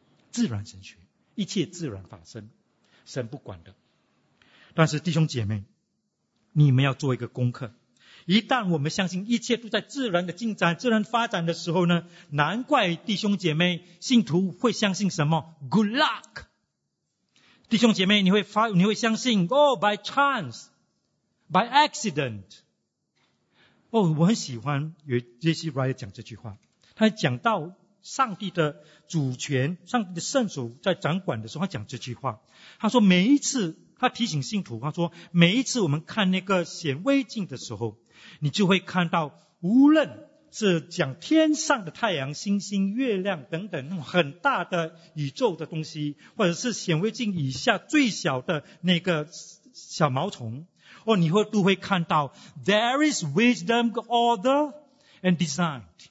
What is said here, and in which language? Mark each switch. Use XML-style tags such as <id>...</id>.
<zh>自然神学，一切自然发生，神不管的。但是弟兄姐妹，你们要做一个功课，一旦我们相信一切都在自然的进展、自然发展的时候呢，难怪弟兄姐妹信徒会相信什么</zh> <en>good luck。</en> <zh>弟兄姐妹，你会相信</zh> <en>oh by chance by accident。</en> <zh>哦，我很喜欢有 J.C. Ryle 讲这句话，他讲到上帝的主权、上帝的圣手在掌管的时候，他讲这句话，他说每一次他提醒信徒，他说每一次我们看那个显微镜的时候，你就会看到无论是讲天上的太阳、星星、月亮等等那种很大的宇宙的东西，或者是显微镜以下最小的那个小毛虫，哦，你会都会看到</zh> <en>There is wisdom, order and design。</en>